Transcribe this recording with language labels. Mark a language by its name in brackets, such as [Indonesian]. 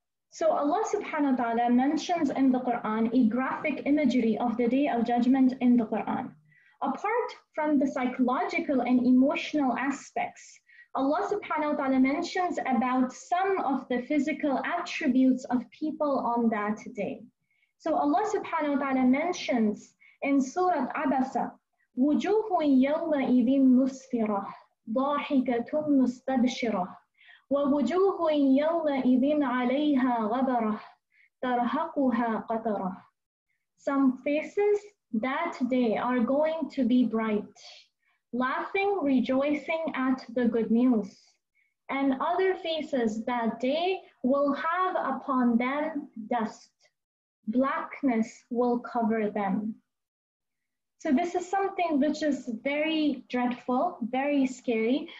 [English] So Allah subhanahu wa ta'ala mentions in the Quran a graphic imagery of the Day of Judgment in the Quran. Apart from the psychological and emotional aspects, Allah subhanahu wa ta'ala mentions about some of the physical attributes of people on that day. So Allah subhanahu wa ta'ala mentions in Surah Abasa, [Arabic] وُجُوهٌ يَوْمَئِذٍ مُسْفِرَةٌ ضَاحِكَةٌ مُسْتَبْشِرَةٌ وَوُجُوهٌ يَوْمَئِذٍ عَلَيْهَا غَبَرَةٌ تَرْهَقُهَا قَتَرَةٌ. [English] Some faces that day are going to be bright, laughing, rejoicing at the good news. And other faces that day will have upon them dust. Blackness will cover them. So this is something which is very dreadful, very scary.